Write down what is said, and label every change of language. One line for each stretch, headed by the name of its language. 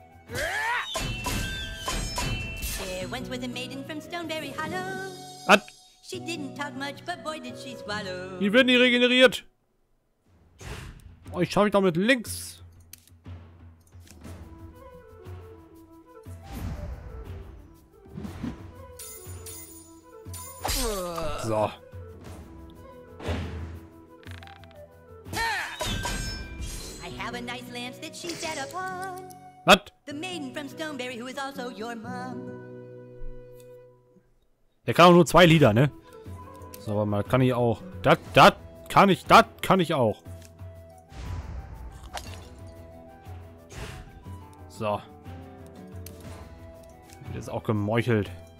English: There once was a maiden from Stoneberry Hollow. What? She didn't talk much, but boy did she swallow.
German: Die werden hier regeneriert. Oh, ich schaffe ich doch mit links. So.
English: A nice lamp that she set upon. What? The maiden from Stoneberry, who is also your mom.
German: Der kann auch nur zwei Lieder, ne? So, aber mal, kann ich auch. Das kann ich auch. So. Wird jetzt auch gemeuchelt.